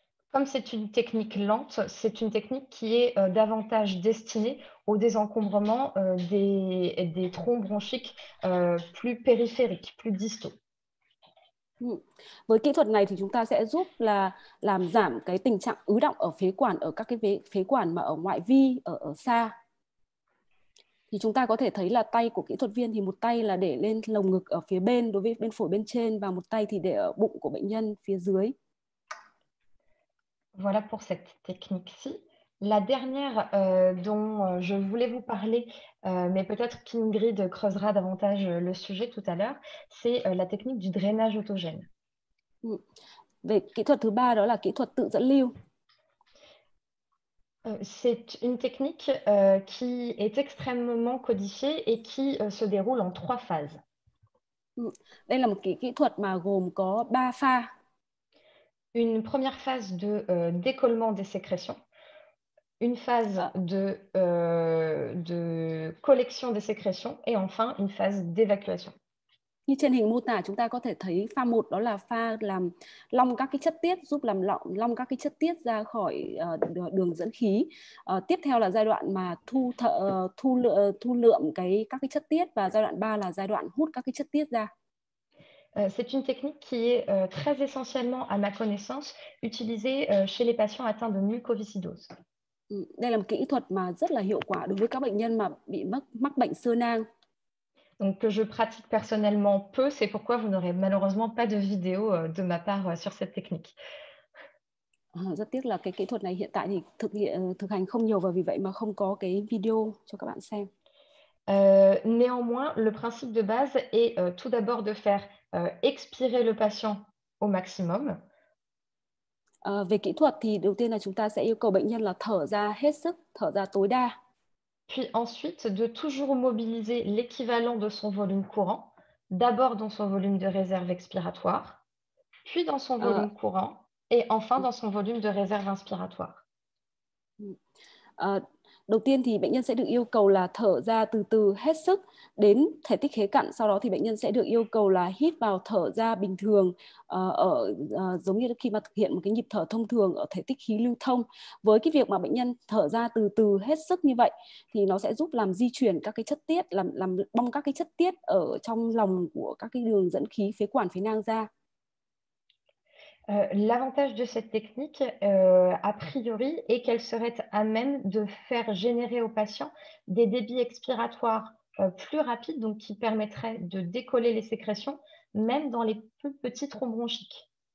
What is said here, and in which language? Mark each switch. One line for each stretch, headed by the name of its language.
French: Comme c'est une technique lente, c'est une technique qui est davantage destinée au désencombrement des troncs bronchiques plus périphériques, plus distaux.
Vietnamese: Với kỹ thuật này thì chúng ta sẽ giúp là làm giảm cái tình trạng ứ động ở phế quản, ở các cái phế quản mà ở ngoại vi, ở xa. Thì chúng ta có thể thấy là tay của kỹ thuật viên thì một tay là để lên lồng ngực ở phía bên đối với bên phổi bên trên và một tay thì để ở bụng của bệnh nhân phía dưới.
French: Voilà pour cette technique-ci. La dernière dont je voulais vous parler, mais peut-être qu'Ingrid creusera davantage le sujet tout à l'heure, c'est la technique du drainage autogène.
Vietnamese: Về kỹ thuật thứ ba đó là kỹ thuật tự dẫn lưu.
French: C'est une technique qui est extrêmement codifiée et qui se déroule en trois phases.
Vietnamese: Đây là một cái kỹ thuật mà gồm có 3 pha.
French: Une première phase de décollement des sécrétions, une phase de collection des sécrétions et enfin une phase d'évacuation.
Vietnamese: Như trên hình mô tả, chúng ta có thể thấy pha 1 đó là pha làm lỏng các cái chất tiết, giúp làm lỏng lỏng các cái chất tiết ra khỏi đường dẫn khí. Tiếp theo là giai đoạn mà thu lượm các cái chất tiết và giai đoạn 3 là giai đoạn hút các cái chất tiết ra.
French: C'est une technique qui est très essentiellement, à ma connaissance, utilisée chez les patients atteints de mucoviscidose.
Vietnamese: Đây là một kỹ thuật mà rất là hiệu quả đối với các bệnh nhân mà bị mắc bệnh xơ nang.
French: Donc, que je pratique personnellement peu, c'est pourquoi vous n'aurez malheureusement pas de vidéo de ma part sur cette technique.
Vietnamese: Rất tiếc là cái kỹ thuật này hiện tại thì thực hành không nhiều và vì vậy mà không có cái video cho các bạn xem.
French: Néanmoins, le principe de base est tout d'abord de faire expirer le patient au maximum.
Vietnamese: Về kỹ thuật thì đầu tiên là chúng ta sẽ yêu cầu bệnh nhân là thở ra hết sức, thở ra tối đa.
French: Puis ensuite, de toujours mobiliser l'équivalent de son volume courant, d'abord dans son volume de réserve expiratoire, puis dans son volume courant et enfin dans son volume de réserve inspiratoire.
Vietnamese: Đầu tiên thì bệnh nhân sẽ được yêu cầu là thở ra từ từ hết sức đến thể tích khế cặn. Sau đó thì bệnh nhân sẽ được yêu cầu là hít vào thở ra bình thường giống như khi mà thực hiện một cái nhịp thở thông thường ở thể tích khí lưu thông. Với cái việc mà bệnh nhân thở ra từ từ hết sức như vậy thì nó sẽ giúp làm di chuyển các cái chất tiết, làm bong các cái chất tiết ở trong lòng của các cái đường dẫn khí phế quản phế nang ra.
French: L'avantage de cette technique, a priori, est qu'elle serait à même de faire générer au patient des débits expiratoires, plus rapides, donc qui permettraient de décoller les sécrétions, même dans les plus petits troncs bronchiques.